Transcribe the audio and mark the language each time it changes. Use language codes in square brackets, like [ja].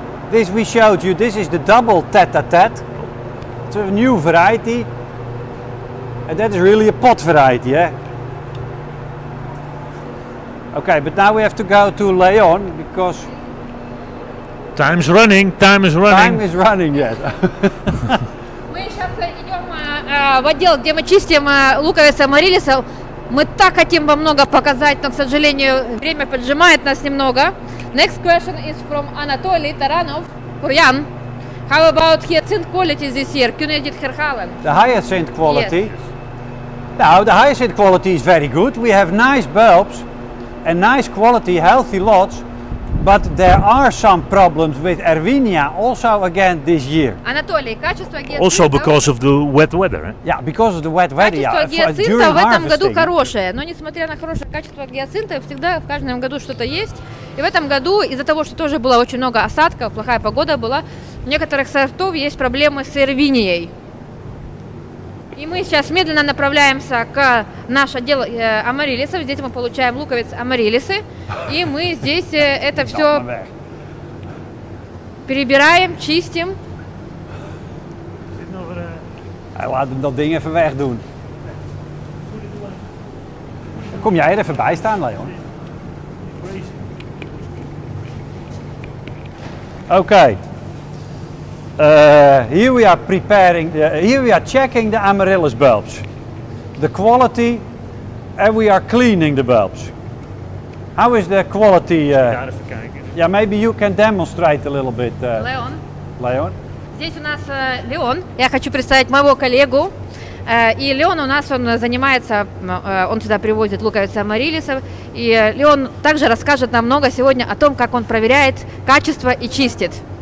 [en] This we showed you, this is the double tête-à-tête. It's a new variety. And that is really a pot variety, yeah? Okay, but now we have to go to Leon because Time is running, yes. [ru] Мы сейчас идем в отдел, где мы чистим луковицы амарилиса. Мы так хотим вам много показать, но, к сожалению, время поджимает нас немного. [en] Next question is from Anatoly Taranov, Kurian. How about hyacinth quality this year? [nl] Kunedit Herhalen. [en] The hyacinth quality? Yes. Now, the hyacinth quality is very good. We have nice bulbs and nice quality, healthy lots. But there are some problems with Erwinia also again this year. [ru] Anatoly, качество гиацинта. [en] Also because of the wet weather, eh? Yeah, because of the wet weather. [ru] Качество гиацинта в этом году хорошее, но несмотря на хорошее качество гиацинта, всегда в каждом году что-то есть. И в этом году из-за того, что тоже было очень много осадков, плохая погода была, у некоторых сортов есть проблемы с Эрвинией. И мы сейчас медленно направляемся к наш отдел амарилисов. Здесь мы получаем луковиц амарилисы. И мы здесь это все перебираем, чистим. [nl] Laten we dat ding even wegdoen. Kom jij er even bij staan, Leon? [en] Okay. Here we are checking the amaryllis bulbs, the quality, and we are cleaning the bulbs. How is the quality? Yeah, maybe you can demonstrate a little bit. [ru] Leon. Здесь у нас Леон. Я хочу представить моего коллегу. И Леон у нас он занимается, он сюда привозит луковицы амариллисов. И Леон также расскажет нам много сегодня о том, как он проверяет качество и чистит.